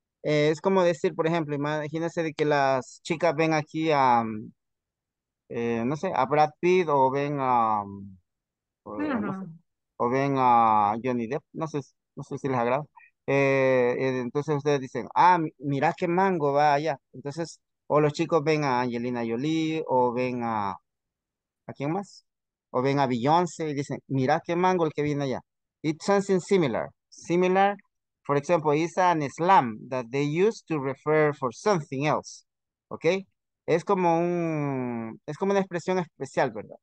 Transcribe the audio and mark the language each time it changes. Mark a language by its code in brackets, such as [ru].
[es] Es como decir, por ejemplo, imagínense de que las chicas ven aquí a, no sé, a Brad Pitt o ven a, o ven a Johnny Depp. No sé si les agrada. Entonces ustedes dicen, ah, mira qué mango va allá. Entonces, o los chicos ven a Angelina Jolie, o ven a, ¿quién más? O ven a Beyoncé y dicen, mira qué mango el que viene allá. [en] It's something similar. Similar, for example, it's an slam that they use to refer for something else. Okay? [es] Es como un, es como una expresión especial, ¿verdad?